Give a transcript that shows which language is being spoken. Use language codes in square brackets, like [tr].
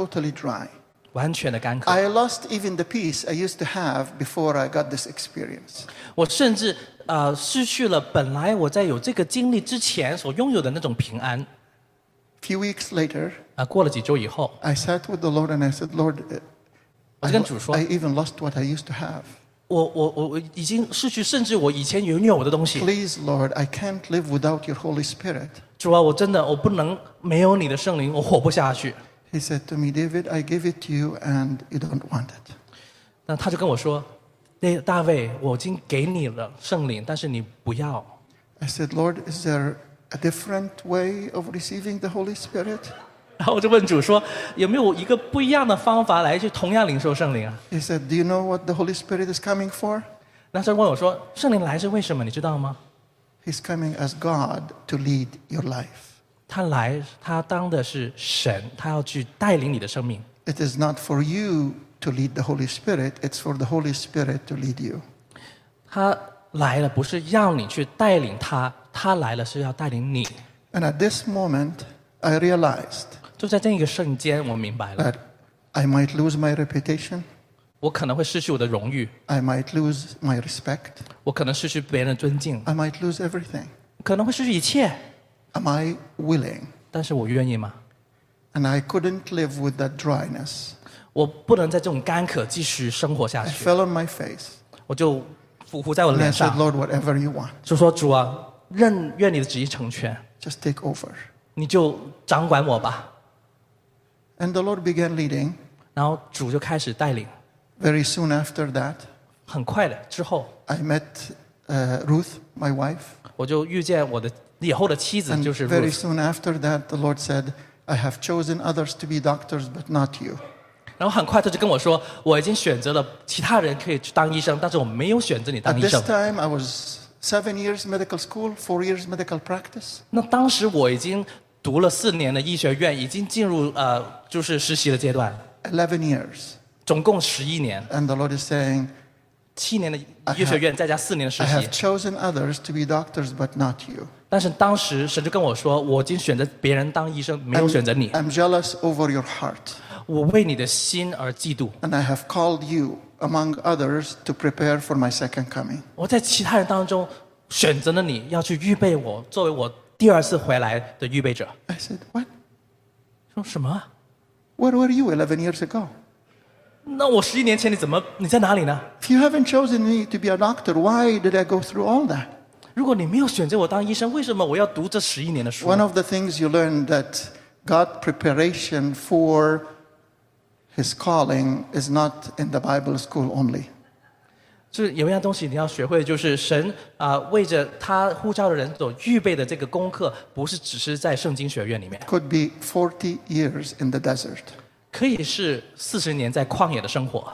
[en] totally dry. [zh] 完全的干渴。 [en] I lost even the peace I used to have before I got this experience. [zh] 我甚至, 失去了本来我在有这个经历之前所拥有的那种平安。 [en] Few weeks later, [zh] 过了几周以后, [en] I sat with the Lord and I said, Lord, [zh] 我跟主说, [en] I even lost what I used to have. [zh] 我已经失去甚至我以前拥有的东西。 [en] Please, Lord, I can't live without your Holy Spirit. [zh] 主啊, 我真的, 我不能没有你的圣灵, 我活不下去。 [en] He said to me, David, I give it to you and you don't want it. [zh] 那他就跟我说, 大卫, 我已经给你了圣灵, 但是你不要。 [en] I said, Lord, is there a different way of receiving the Holy Spirit? [zh] 然后我就问主说, 有没有一个不一样的方法来去 同样领受圣�ing啊? [en] He said, do you know what the Holy Spirit is coming for? [zh] 那他问我说, 圣灵来是为什么, 你知道吗? [en] He's coming as God to lead your life. [zh] 他来, 他当的是神, 他要去带领你的生命。 [en] It is not for you to lead the Holy Spirit, it's for the Holy Spirit to lead you. [zh] 他来了不是要你去带领他, 他来了是要带领你。 [en] And at this moment, I realized [zh] 就在这一个瞬间, 我明白了, [en] that I might lose my reputation. [zh] 我可能会失去我的荣誉。 [en] I might lose my respect. [zh] 我可能失去别人的尊敬。 [en] I might lose everything. [zh] 可能会失去一切。 [en] Am I willing? [zh] 但是我愿意吗? [en] And I couldn't live with that dryness. [zh] 我不能在这种干渴继续生活下去。 [en] I fell on my face. [zh] 我就伏在我脸上。 [en] And I said, Lord, whatever you want. [zh] 就说主啊, 愿你的旨意成全。 [en] Just take over. [zh] 你就掌管我吧。 [en] And the Lord began leading. [zh] 然后主就开始带领。 [en] Very soon after that, [zh] 很快的之后, [en] I met Ruth, my wife. [zh] 我就遇见我的以后的妻子, [en] and [zh] 就是Ruth。 [en] Very soon after that, the Lord said, I have chosen others to be doctors, but not you. [zh] 然后很快他就跟我说, 我已经选择了其他人可以当医生, 但是我没有选择你当医生。 [en] At this time, I was 7 years medical school, 4 years medical practice. [zh] 那当时我已经读了4年的医学院, 已经进入, 就是实习的阶段。 [en] 11 years. [zh] 总共11年。 [en] And the Lord is saying, [zh] 7年的医学院, 再加4年的实习。 [en] I have chosen others to be doctors, but not you. [zh] 但是当时神就跟我说, 我已经选择别人当医生, 没有选择你。 [en] I'm jealous over your heart. [zh] 我为你的心而嫉妒。 [en] And I have called you, among others, to prepare for my second coming. [zh] 我在其他人当中选择了你, 要去预备我, 作为我第二次回来的预备者。 [en] I said, what? [zh] 说什么? [en] Where were you 11 years ago? [zh] 那我11年前你怎么, 你在哪里呢? [en] If you haven't chosen me to be a doctor, why did I go through all that? [zh] 如果你没有选择我当医生, 为什么我要读这11年的书? [en] One of the things you learn that God preparation for His calling is not in the Bible school only. [zh] 有一样东西你要学会的就是神 为着他呼召的人所预备的这个功课不是只是在圣经学院里面。 [en] Could be 40 years in the desert. [zh] 可以是40年在旷野的生活。